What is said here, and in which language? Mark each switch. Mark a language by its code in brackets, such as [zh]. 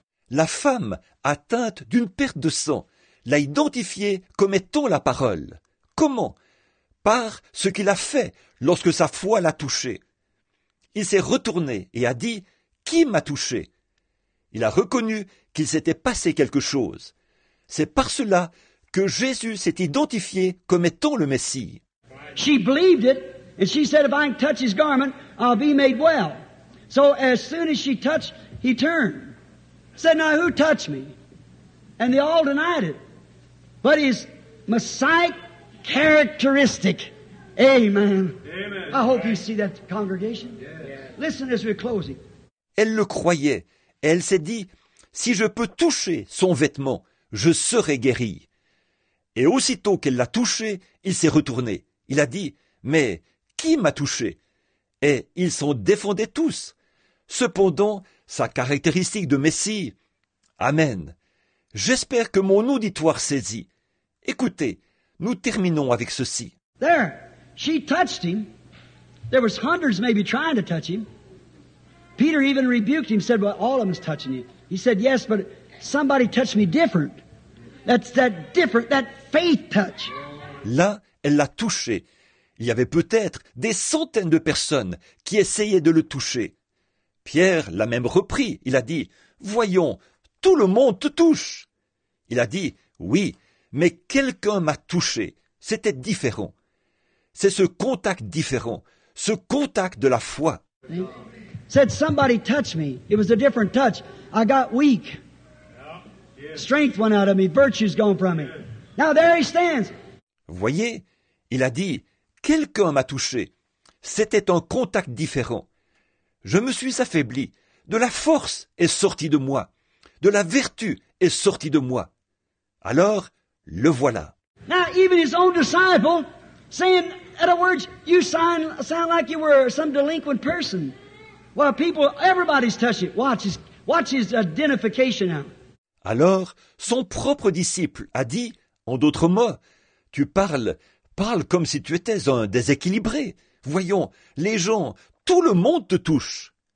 [fr] La femme atteinte d'une perte de sang l'a identifié comme étant la parole. Comment? Par ce qu'il a fait lorsque sa foi l'a touché. Il s'est retourné et a dit, qui m'a touché? Il a reconnu qu'il s'était passé quelque chose. C'est par cela que Jésus s'est identifié comme étant le Messie. [en] She believed it, and she said, if I can touch his garment, I'll be made well. So as soon as she touched, he turned. Said, now who touched me? And they all denied it. But his Messiah characteristic. Amen. Amen. I hope you see that congregation. Yes. Listen as we're closing. [fr] Elle le croyait. Elle s'est dit, si je peux toucher son vêtement, je serai guéri. Et aussitôt qu'elle l'a touché, il s'est retourné. Il a dit, mais qui m'a touché? Et ils s'en défendaient tous. Cependant, sa caractéristique de Messie. Amen. J'espère que mon auditoire saisit. Écoutez, nous terminons avec ceci. [en] There, she touched him. There was hundreds maybe trying to touch him. Peter even rebuked him, said, well, all of them's touching you. He said, yes, but somebody touched me different. That's that different, that faith touch. [fr] Là, elle l'a touché. Il y avait peut-être des centaines de personnes qui essayaient de le toucher. Pierre l'a même repris. Il a dit, voyons, tout le monde te touche. Il a dit, oui, mais quelqu'un m'a touché. C'était différent. C'est ce contact différent, ce contact de la foi. [en] Said somebody touched me. It was a different touch. I got weak. Strength went out of me. Virtue's gone from me. Now there he stands. [fr] Voyez, il a dit, quelqu'un m'a touché. C'était un contact différent. Je me suis affaibli. De la force est sortie de moi. De la vertu est sortie de moi. Alors, le voilà. [en] Now even his own disciple saying, in other words, you sound like you were some delinquent person. Well, people, everybody's touching. Watch his identification now. [fr] Alors, son propre disciple a dit, en d'autres mots, tu parle comme si tu étais un déséquilibré. Voyons, les gens, tout le monde te touche.